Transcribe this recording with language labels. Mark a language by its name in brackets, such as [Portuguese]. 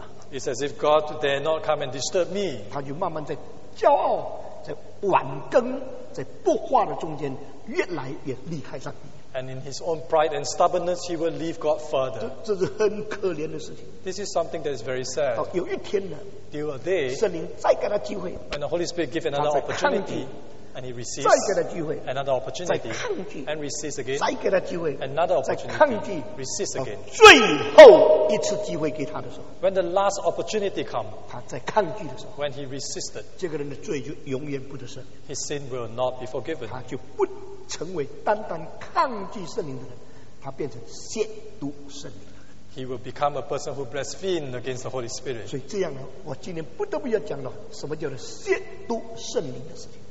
[English] It's as if God dare not come and disturb me. [Chinese] 他就慢慢在骄傲，在晚更，在不化的中间，越来越离开上帝。 [English] And in his own pride and stubbornness, he will leave God further. [Chinese] 这是很可怜的事情。 [English] This is something that is very sad. [Chinese] 有一天呢, [English] till a day, [Chinese] 圣灵再给他机会, [English] when the Holy Spirit gives another opportunity, and he receives [Chinese] 再给他机会, [English] another opportunity, [Chinese] 再抗拒, [English] and receives again, [Chinese] 再给他机会, [English] another opportunity, [Chinese] 再抗拒, [English] receives again. [Chinese] 最后一次机会给他的时候, [English] when the last opportunity comes, [Chinese] 他再抗拒的时候, [English] when he resisted, [Chinese] 这个人的罪就永远不得赦免, [English] his sin will not be forgiven. [Chinese] 他就不成为单单抗拒圣灵的人, 他变成亵渎圣灵。 [English] He will become a person who blasphemes against the Holy Spirit. [Chinese] 所以这样呢，我今天不得不要讲了什么叫做亵渎圣灵的事情。